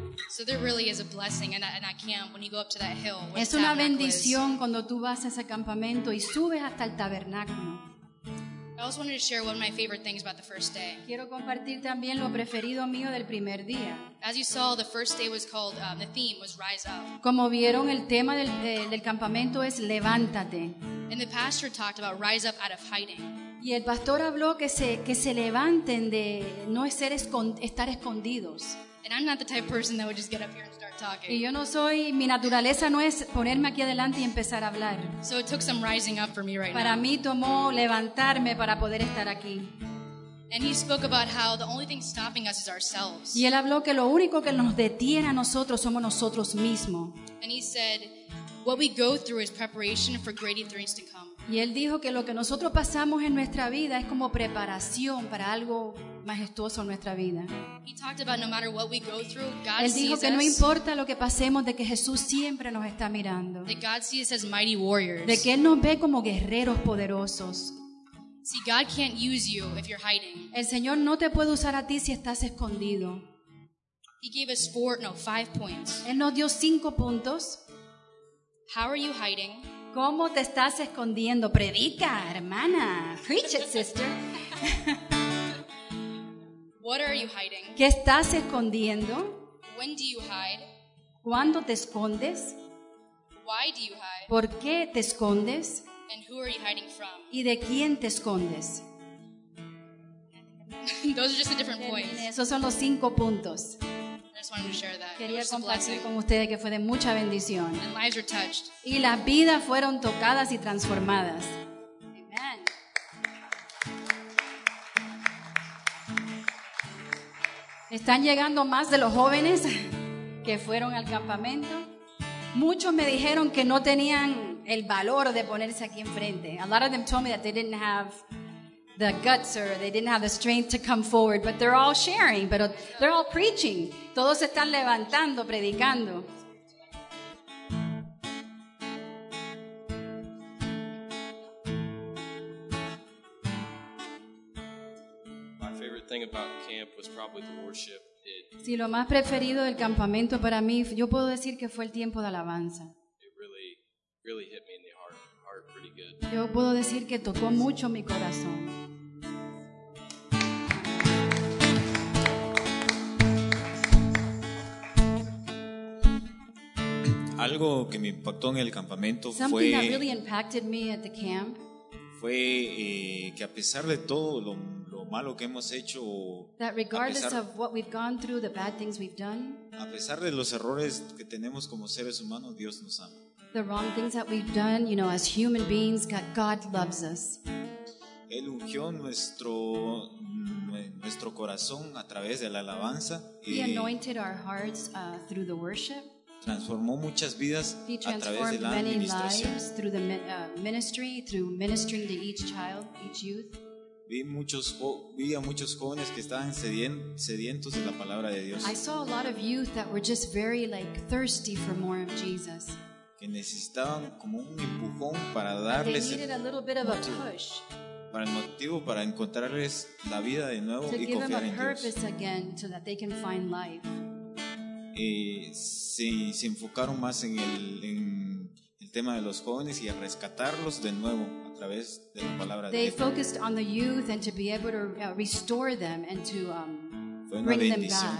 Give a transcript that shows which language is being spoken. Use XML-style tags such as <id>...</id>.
<en>So there really is a blessing in that camp when you go up to that hill.</en> <es>Es una bendición cuando tú vas a ese campamento y subes hasta el tabernáculo.</es> <en>I also wanted to share one of my favorite things about the first day.</en> <es>Quiero compartir también lo preferido mío del primer día.</es> <en>As you saw, the first day was called, the theme was Rise Up.</en> <es>Como vieron, el tema del campamento es Levántate.</es> <en>And the pastor talked about Rise Up out of hiding.</en> <es>Y el pastor habló que se levanten de no ser estar escondidos.</es> <en>And I'm not the type of person that would just get up here and start talking.</en> <es>Y yo no soy, mi naturaleza no es ponerme aquí adelante y empezar a hablar.</es> <en>So it took some rising up for me right</en> <es>para Para mí tomó levantarme para poder estar aquí.</es> <en>And he spoke about how the only thing stopping us is ourselves.</en> <es>Y él habló que lo único que nos detiene a nosotros somos nosotros mismos.</es> <en>And he said, what we go through is preparation for greater things to come.</en> <es>Y él dijo que lo que nosotros pasamos en nuestra vida es como preparación para algo majestuoso en nuestra vida.</es> <en>He talked about no matter what we go through, God sees us.</en> <es>Él dijo que no importa lo que pasemos, de que Jesús siempre nos está mirando.</es> <en>That God sees us as mighty warriors.</en> <es>De que Él nos ve como guerreros poderosos.</es> <en>See, God can't use you if you're hiding.</en> <es>El Señor no te puede usar a ti si estás escondido.</es> <en>He gave us five points.</en> <es>Él nos dio 5 puntos.</es> <en>How are you hiding?</en> <es>¿Cómo te estás escondiendo? Predica, hermana.</es> <en>Preach it, sister. What are you hiding?</en> <es>¿Qué estás escondiendo?</es> <en>When do you hide?</en> <es>¿Cuándo te escondes?</es> <en>Why do you hide?</en> <es>¿Por qué te escondes?</es> <en>And who are you hiding from?</en> <es>¿Y de quién te escondes?</es> <en>Those are just the different points.</en> <es>Esos son los 5 puntos.</es> <en>I just wanted to share that.</en> <es>Quería compartir con ustedes que fue de mucha bendición.</es> <en>And lives were touched.</en> <es>Y las vidas fueron tocadas y transformadas.</es> <en>Amen.</en> <es>Están llegando más de los jóvenes que fueron al campamento. Muchos me dijeron que no tenían el valor de ponerse aquí enfrente.</es> <en>A lot of them told me that they didn't have the guts or they didn't have the strength to come forward, but they're all sharing, but they're all preaching.</en> <es>Todos están levantando, predicando.</es> <en>My favorite thing about camp was probably the worship.</en> <es>Si lo más preferido del campamento para mí, yo puedo decir que fue el tiempo de alabanza.</es> <en>It really, really hit me in the heart pretty good.</en> <es>Yo puedo decir que tocó mucho mi corazón. Algo que me impactó en el campamento fue que a pesar de todo lo malo que hemos hecho, a pesar de los errores que tenemos como seres humanos, Dios nos ama.</es> <en>the wrong things that we've done, you know, as human beings, God loves us.</en> <es>Él ungió nuestro corazón a través de la alabanza.</es> <en>He anointed our hearts through the worship.</en> <es>Transformó muchas vidas a través de la administración.</es> <en>He transformed many lives through the ministry, through ministering to each child, each youth.</en> <es>Vi a muchos jóvenes que estaban sedientos de la palabra de Dios.</es> <en>I saw a lot of youth that were just very like thirsty for more of Jesus.</en> <es>Que necesitaban como un empujón para darles</es> <en>a little bit of a push.</en> <es>Para el motivo para encontrarles la vida de nuevo y confiar en Dios.</es> <en>To give them a purpose again so that they can find life.</en> <es>Y se enfocaron más en el tema de los jóvenes y a rescatarlos de nuevo.</es> <en>They focused on the youth and to be able to restore them and to bring them back.</en>